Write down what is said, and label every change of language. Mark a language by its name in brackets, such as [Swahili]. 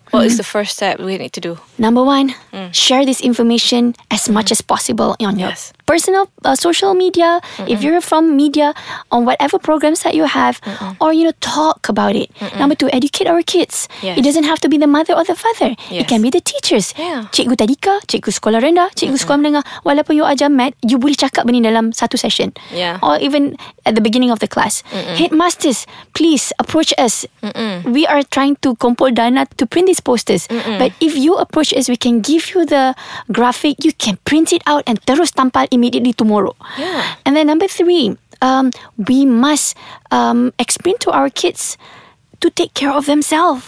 [English] What is the first step we need to do? Number one, share this information as much as possible on your personal social media. Mm-mm. If you're from media, on whatever programs that you have, or you know, talk about it. Mm-mm. Number two, educate our kids. Yes. It doesn't have to be the mother or the father. Yes. It can be the teachers. Yeah. [Malay] Cikgu tadika, cikgu sekolah rendah, cikgu sekolah menengah. Walaupun you ajar math, you boleh cakap benda dalam satu session. [English] Yeah. Or even at the beginning of the class. Mm-mm. Headmasters, please approach us. Mm-mm. We are trying to [Malay] kumpul dana [English] to print these posters. Mm-mm. But if you approach us, we can give you the graphic. You can print it out and [Malay] terus tampal [English] immediately tomorrow. Yeah. And then number three, we must explain to our kids to take care of themselves.